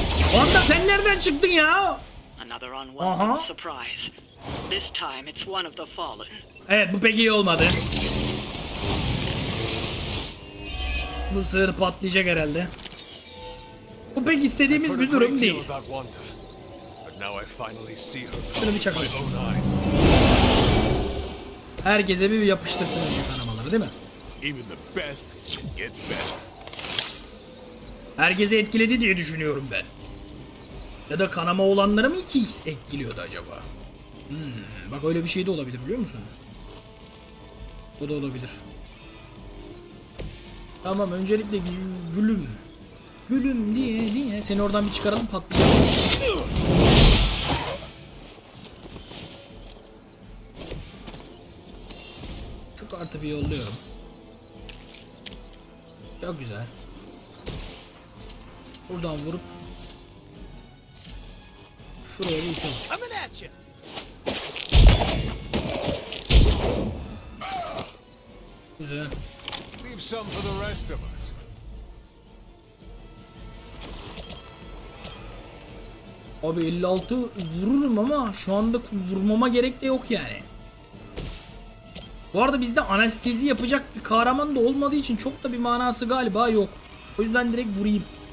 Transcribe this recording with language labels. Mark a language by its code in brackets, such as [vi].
[tr] Wanda, sen nereden çıktın ya? [en] Another unwelcome surprise. This time it's one of the fallen. [tr] Evet, bu pek iyi olmadı. Bu sır patlayacak herhalde. Bu pek istediğimiz bir durum değil. [en] But now I finally see her. [tr] Şunu bir çakalım. Herkese bir yapıştırsın şu kanamaları, değil mi? [en] Even the best can get best. [tr] Herkese etkiledi diye düşünüyorum ben. Ya da kanama olanları mı 2x etkiliyordu acaba? Bak, öyle bir şey de olabilir, biliyor musun? Bu da olabilir. Tamam, öncelikle gülüm. Gülüm diye diye seni oradan bir çıkaralım, patlayalım. Çok artı bir yolluyorum. Çok güzel. Buradan vurup buraya bir [en] tane. Coming at you. [tr] Güzel. [en] Leave some for the rest of us. [tr] Abi 56 vururum ama şu anda vurmama gerek de yok yani. Bu arada bizde anestezi yapacak bir kahraman da olmadığı için çok da bir manası galiba yok. O yüzden direkt vurayım.